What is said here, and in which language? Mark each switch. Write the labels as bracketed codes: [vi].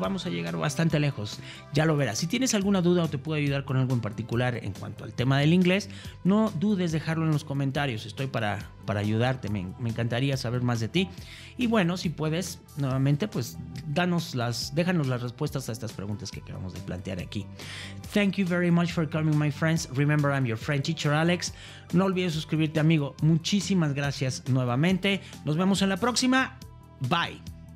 [es] Vamos a llegar bastante lejos. Ya lo verás. Si tienes alguna duda o te puedo ayudar con algo en particular en cuanto al tema del inglés, no dudes dejarlo en los comentarios. Estoy para ayudarte. Me encantaría saber más de ti. Y bueno, si puedes, nuevamente, pues déjanos las respuestas a estas preguntas que acabamos de plantear aquí. [en] Thank you very much for coming, my friends. Remember, I'm your friend teacher, Alex. [es] No olvides suscribirte, amigo. Muchísimas gracias nuevamente. Nos vemos en la próxima. Bye.